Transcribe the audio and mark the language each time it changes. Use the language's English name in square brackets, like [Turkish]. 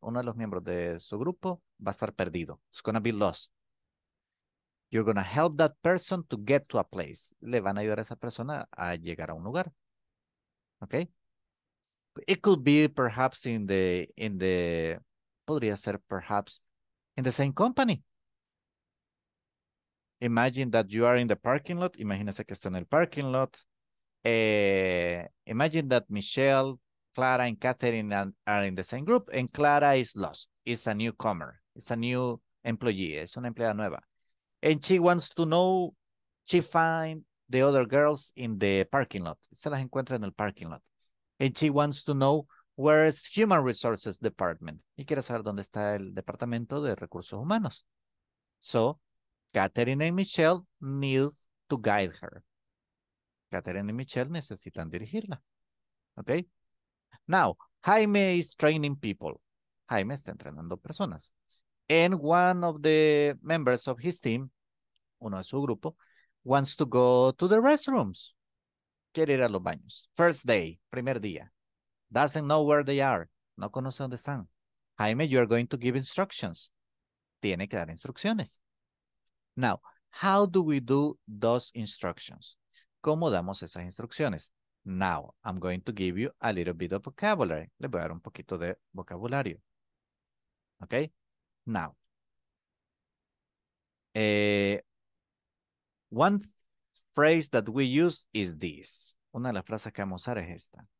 [Spanish] Uno de los miembros de su grupo va a estar perdido. [English] It's going to be lost. You're going to help that person to get to a place. [Spanish] Le van a ayudar a esa persona a llegar a un lugar. [English] Okay? It could be perhaps in the [Spanish] podría ser [English] perhaps in the same company. Imagine that you are in the parking lot. [Spanish] Imagínese que está en el [English] parking lot. Imagine that Michelle, Clara, and Catherine are in the same group, and Clara is lost. It's a newcomer. It's a new employee. [Spanish] Es una empleada nueva. [English] And she wants to know, she find the other girls in the parking lot. [Spanish] Se las encuentra en el [English] parking lot. And she wants to know where is Human Resources Department. [Spanish] Y quiere saber dónde está el departamento de recursos humanos. [English] So, Catherine and Michelle needs to guide her. Catherine and Michelle [Spanish] necesitan dirigirla. [English] Okay? Now, Jaime is training people. [Spanish] Jaime está entrenando personas. [English] And one of the members of his team, [Spanish] uno de su grupo, [English] wants to go to the restrooms. [Spanish] Quiere ir a los baños. [English] First day, [Spanish] primer día. [English] Doesn't know where they are. [Spanish] No conoce dónde están. [English] Jaime, you are going to give instructions. [Spanish] Tiene que dar instrucciones. [English] Now, how do we do those instructions? [Spanish] ¿Cómo damos esas instrucciones? [English] Now, I'm going to give you a little bit of vocabulary. [Spanish] Le voy a dar un poquito de vocabulario. [English] Okay? Now. One phrase that we use is this. [Spanish] Una de las frases que vamos a usar es esta.